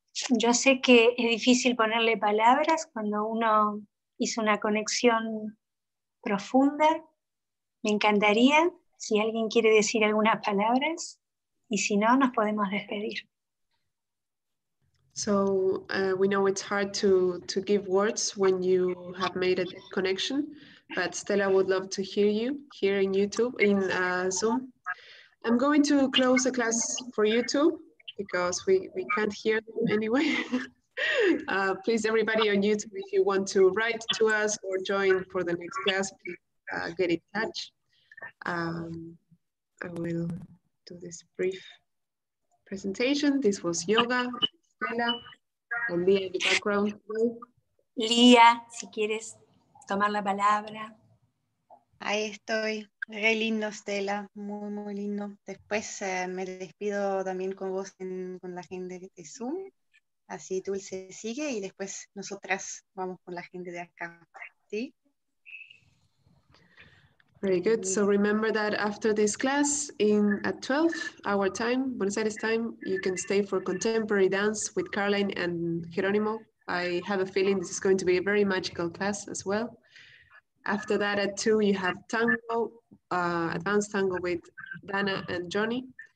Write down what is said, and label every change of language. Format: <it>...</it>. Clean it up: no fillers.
<es>Yo sé que es difícil ponerle palabras cuando uno hizo una conexión profunda. Me encantaría si alguien quiere decir algunas palabras y si no, nos podemos despedir.</es> <en>So, we know it's hard to give words when you have made a connection, but Stella would love to hear you here in YouTube, in Zoom. I'm going to close the class for YouTube. Because we can't hear them anyway. Please, everybody on YouTube, if you want to write to us or join for the next class, please get in touch. I will do this brief presentation. This was Yoga, Stella, and Lia in the background.</en> <es>Lia, si quieres tomar la palabra. Ahí estoy. Qué lindo, Stella. Muy, muy lindo. Después me despido también con vos, con la gente de Zoom. Así Dulce sigue y después nosotras vamos con la gente de acá. ¿Sí?</es> <en>Very good. So remember that after this class, in at 12 our time, Buenos Aires time, you can stay for contemporary dance with Caroline and Jerónimo. I have a feeling this is going to be a very magical class as well. After that, at 2, you have tango, advanced tango with Dana and Johnny.</en>